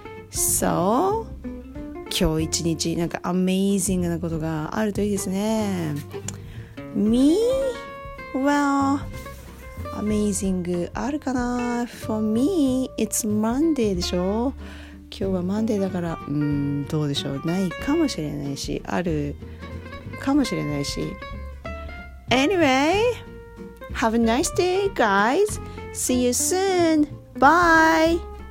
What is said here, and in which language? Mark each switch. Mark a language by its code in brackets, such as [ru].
[ja] So, 今日一日なんか amazing なことがあるといいですね。 [en] Me? [ja] Well, amazing あるかな? [en] For me, it's Monday [ja] でしょ? 今日は Monday だから、どうでしょう?ないかもしれないし、あるかもしれないし。 [en] Anyway! Have a nice day, guys. See you soon. Bye.